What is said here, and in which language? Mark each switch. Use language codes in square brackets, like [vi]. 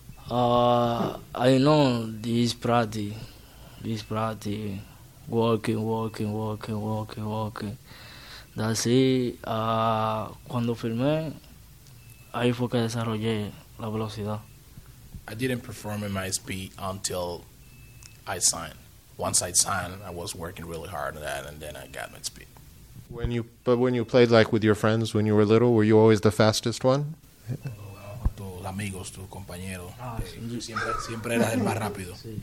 [en] I know this practice. this practice, walking. That's it. [es] Cuando firmé, ahí fue que desarrollé la velocidad. [en] I didn't perform in my speed until I signed. Once I signed, I was working really hard on that, and then I got my speed. When you played like with your friends when you were little, were you always the fastest one? [es] Tus amigos, tus compañeros, siempre eras el más rápido.